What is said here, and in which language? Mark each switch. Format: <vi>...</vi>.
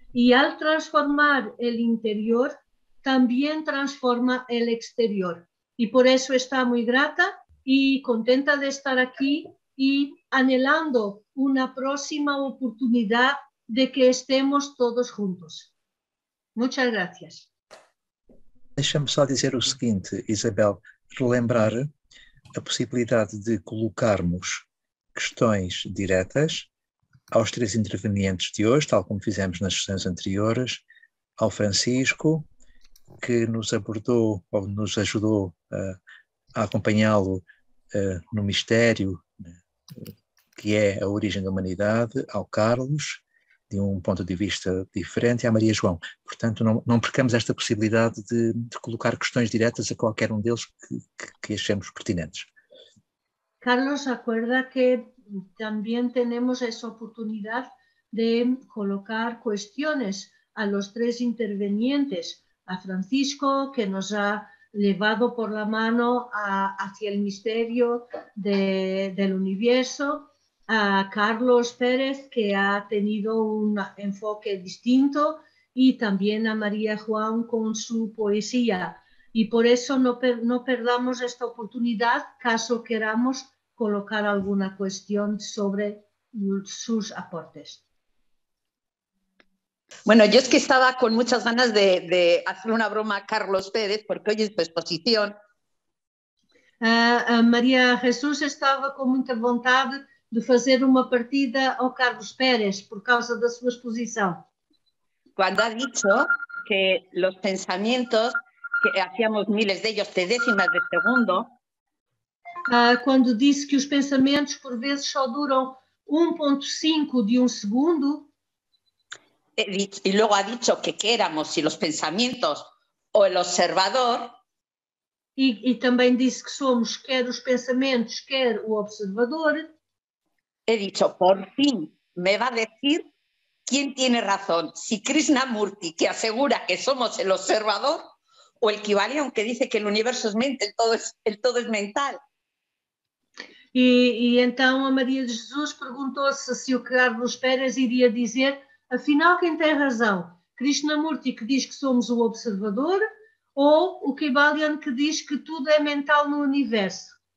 <es>Y al transformar el interior, también transforma el exterior. Y por eso está muy grata y contenta de estar aquí y anhelando una próxima oportunidad de que estemos todos juntos. Muchas gracias.</es> <pt>Deixa-me só dizer o seguinte, Isabel, relembrar a possibilidade de colocarmos questões diretas aos três intervenientes de hoje, tal como fizemos nas sessões anteriores, ao Francisco, que nos abordou ou nos ajudou a acompanhá-lo no mistério que é a origem da humanidade, ao Carlos, de um ponto de vista diferente, e à Maria João. Portanto, não percamos esta possibilidade de colocar questões diretas a qualquer um deles que achemos pertinentes.</pt> <es>Carlos, acuerda que también tenemos esa oportunidad de colocar cuestiones a los tres intervenientes, a Francisco, que nos ha llevado por la mano hacia el misterio del universo, a Carlos Pérez, que ha tenido un enfoque distinto, y también a María Juan con su poesía. Y por eso no perdamos esta oportunidad, caso queramos colocar alguna cuestión sobre sus aportes. Bueno, yo es que estaba con muchas ganas de hacer una broma a Carlos Pérez, porque hoy es su exposición. María Jesús estaba con mucha voluntad de hacer una partida a Carlos Pérez por causa de su exposición. Cuando ha dicho que los pensamientos, que hacíamos miles de ellos de décimas de segundo.</es> <pt>Quando disse que os pensamentos por vezes só duram 1.5 de um segundo. E logo</pt> <es>ha dicho que éramos,</es> <pt>se os pensamentos ou o observador. E também disse que somos quer os pensamentos, quer o observador.</pt> <es>He dicho, por fin, me va a decir quién tiene razón, si Krishnamurti, que asegura que somos el observador, o el Kivalión, que dice que el universo es mente, el todo es mental.</es> <pt>E então a Maria de Jesus perguntou-se se o Carlos Pérez iria dizer, afinal, quem tem razão? Krishnamurti, que diz que somos o observador, ou o Kivalión, que diz que tudo é mental no universo?</pt>